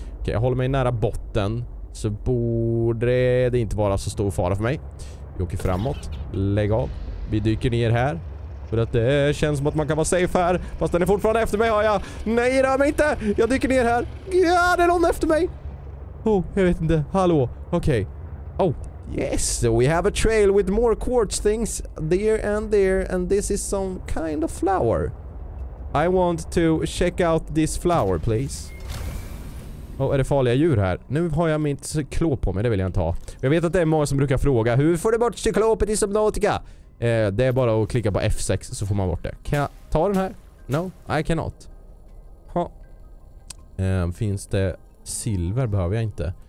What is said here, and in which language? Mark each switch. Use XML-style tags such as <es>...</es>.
<sv>Okej, jag håller mig nära botten. Så borde det inte vara så stor fara för mig. Vi åker framåt. Lägg av. Vi dyker ner här. För att det känns som att man kan vara safe här. Fast den är fortfarande efter mig, har jag. Nej, rör mig inte. Jag dyker ner här. Ja, det är någon efter mig. Oh, jag vet inte. Hallå. Okej. Oh.</sv> <en>Yes, so we have a trail with more quartz things there, and this is some kind of flower. I want to check out this flower, please.</en> <sv>Oh, är det farliga djur här? Nu har jag mitt cyklop på mig, det vill jag inte ha. Jag vet att det är många som brukar fråga, hur får du bort cyklopet i Subnautica? Det är bara att klicka på F6 så får man bort det. Kan jag ta den här?</sv> <en>No, I cannot.</en> <sv>Finns det silver? Behöver jag inte.</sv>